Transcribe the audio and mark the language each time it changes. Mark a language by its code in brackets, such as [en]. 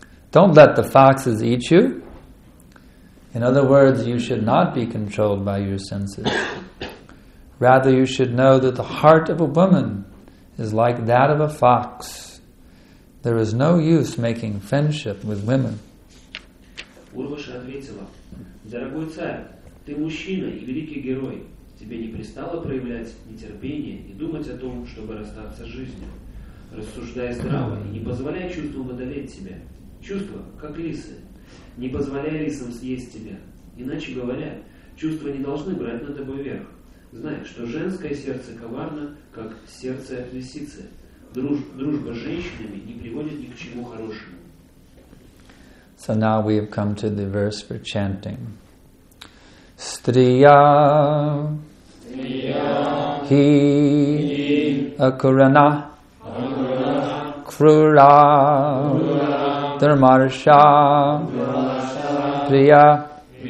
[en] Don't let the foxes eat you. In other words, you should not be controlled by your senses. Rather, you should know that the heart of a woman is like that of a fox. There is no use making friendship with women. [ru] Урваша ответила, дорогой царь, ты мужчина и великий герой. Тебе не пристало проявлять нетерпение и думать о том, чтобы расстаться с жизнью. Рассуждай здраво и не позволяй чувствам одолеть тебя. Чувства, как лисы. Не позволяй лисам съесть тебя. Иначе говоря, чувства не должны брать над тобой верх. Знай, что женское сердце коварно, как сердце лисицы. Дружба с женщинами не приводит ни к чему хорошему. [en] So now we have come to the verse for chanting. [sa] Striya, Striya hi akurana, akurana krura dharmarsha priya